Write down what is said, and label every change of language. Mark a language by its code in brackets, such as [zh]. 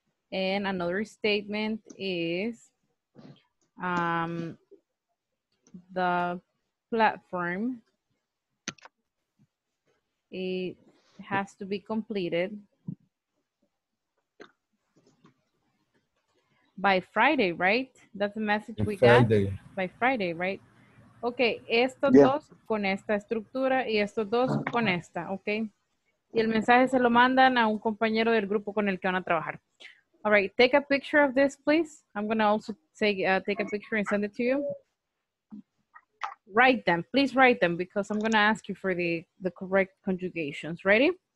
[en] And another statement is the platform, it has to be completed by Friday, right? That's the message we got. By Friday, right? [es] Okay, estos dos con esta estructura y estos dos con esta, okay? Y el mensaje se lo mandan a un compañero del grupo con el que van a trabajar. [en] All right, take a picture of this, please. I'm going to also take a picture and send it to you. Write them. Please write them because I'm going to ask you for the correct conjugations. Ready?